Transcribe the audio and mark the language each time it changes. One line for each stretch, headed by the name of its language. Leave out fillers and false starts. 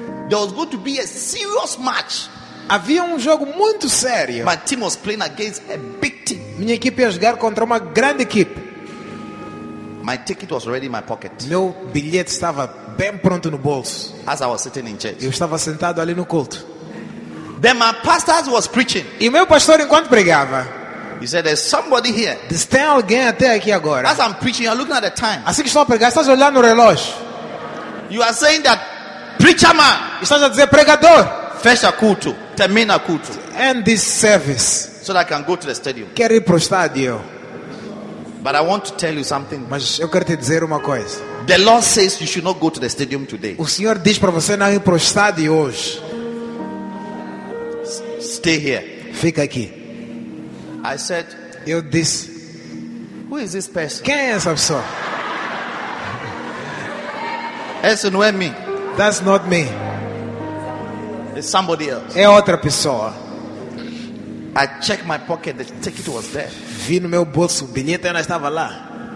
English: there was going to be a serious match.
Portuguese: Havia jogo muito sério.
English: My team was playing against a big team.
Portuguese: Minha equipe ia jogar contra uma grande equipe.
English: My ticket was already in my pocket.
Portuguese: Meu bilhete estava bem pronto no bolso.
English: As I was sitting in church,
Portuguese: eu estava sentado ali no culto.
English: Then my pastor was preaching.
Portuguese: E meu pastor enquanto pregava,
English: he said, "There's somebody here."
Portuguese: Diz, tem alguém até aqui agora.
English: As I'm preaching, you're looking at the time.
Portuguese: Assim que estou a pregar, estás olhando o relógio.
English: You are saying that preacher man.
Portuguese: Estás a dizer pregador. Fecha culto, termina culto.
English: End this service. So that I can go to the stadium.
Portuguese: Quero ir pro estádio.
English: But I want to tell you something.
Portuguese: Mas eu quero te dizer uma coisa.
English: The Lord says you should not go to the stadium today.
Portuguese: O Senhor diz para você não ir pro estádio hoje.
English: Stay here.
Portuguese: Fica aqui.
English: I said,
Portuguese: eu disse,
English: who is this person?
Portuguese: Quem é essa pessoa? Essa não é me.
English: That's not me. It's somebody else.
Portuguese: É outra pessoa.
English: I checked my pocket, the ticket was there.
Portuguese: Vi no meu bolso, o bilhete ainda estava lá.